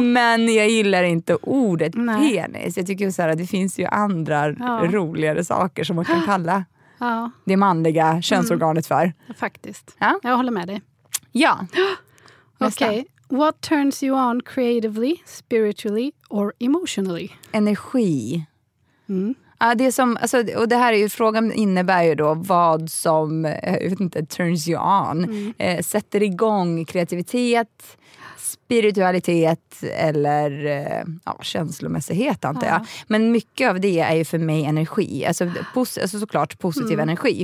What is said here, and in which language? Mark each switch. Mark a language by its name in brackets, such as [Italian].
[Swedish] Men jag gillar inte ordet penis. Jag tycker så här, att det finns ju andra roligare saker som man kan kalla... Det manliga könsorganet för. Faktiskt. Ja? Jag håller med dig. Ja. Okej. Okay. [English] What turns you on creatively, spiritually or emotionally? [Swedish] Energi. Det som, alltså, och det här är ju, frågan innebär ju då vad som, jag vet inte, [English] turns you on. [Swedish] Sätter igång kreativitet, spiritualitet eller känslomässighet, antar jag. Men mycket av det är ju för mig energi. Alltså, såklart positiv energi.